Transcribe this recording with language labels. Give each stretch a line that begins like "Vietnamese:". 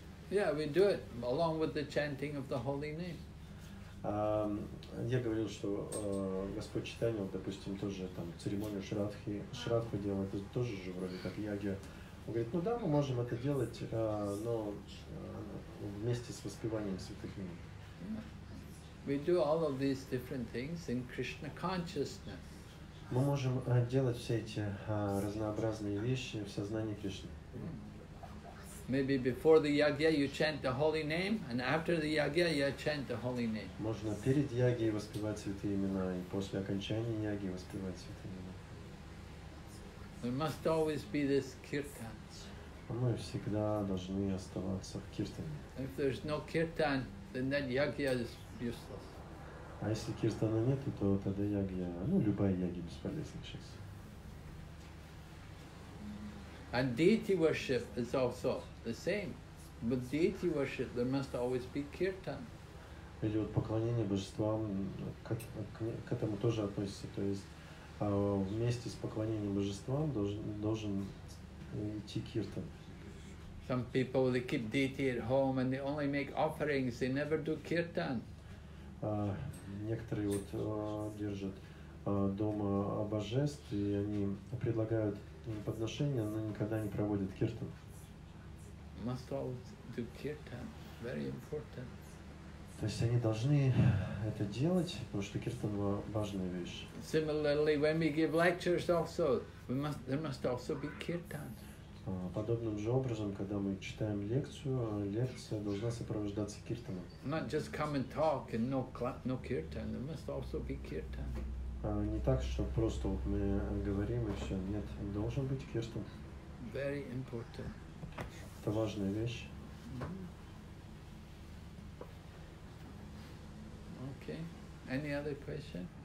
English: Yeah, we do it along with the chanting of the holy name.
Russian: Я говорил, что Господь Читания, вот, допустим, тоже там церемонию Шрадхи, Шрадху делает, это тоже же вроде как ягья. Он говорит, ну да, мы можем это делать, но вместе с воспеванием святых имен.
English: We do all of these different things in Krishna consciousness.
Russian: Мы можем делать все эти разнообразные вещи в сознании Кришны.
English: Maybe before the yagya you chant the holy name, and after the yagya you chant the holy name.
Russian: Можно перед ягьей воспевать святые имена и после окончания яги воспевать святые имена.
English: There must always be this kirtan.
Russian: Мы всегда должны оставаться в киртане.
English: If there's no kirtan, then that yagya is useless.
Russian: А если киртана нету, то тогда ягья, любая ягья бесполезна сейчас.
English: And deity worship is also the same. But deity worship, there must always be kirtan.
Russian: Или вот поклонение божествам, к этому тоже относится. То есть вместе с поклонением божествам должен идти киртан.
English: Some people, they keep deity at home and they only make offerings, they never do kirtan.
Russian: Некоторые вот держат дома божеств, и они предлагают подношения, но никогда не проводят киртан.
English: Must always do kirtan. Very important.
Russian: То есть они должны это делать, потому что киртан важная вещь.
English: Similarly, when we give lectures also, there must also be kirtan.
Russian: Подобным же образом, когда мы читаем лекцию, лекция должна сопровождаться киртаном.
English: Not just come and talk and no kirtan. There must also be kirtan.
Russian: Не так, что просто вот мы говорим и все. Нет, должен быть киртан.
English: Very important.
Russian: Это важная вещь. Mm-hmm.
English: Okay. Any other question?